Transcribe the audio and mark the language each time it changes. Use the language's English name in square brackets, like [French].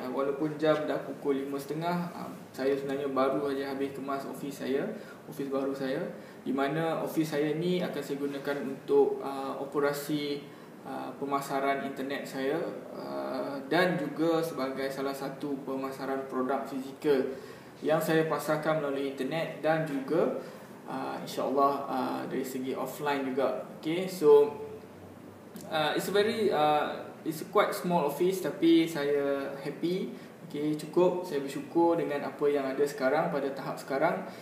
[Malay] Walaupun jam dah pukul 5:30, saya sebenarnya baru saja habis kemas ofis saya, ofis baru saya, di mana ofis saya ni akan saya gunakan untuk operasi pemasaran internet saya dan juga sebagai salah satu pemasaran produk fizikal yang saya pasarkan melalui internet dan juga insyaAllah dari segi offline juga. [English] Okay, so it's a quite small office, [Malay] tapi saya [English] happy. [Malay] Okay, cukup, saya bersyukur dengan apa yang ada sekarang, pada tahap sekarang.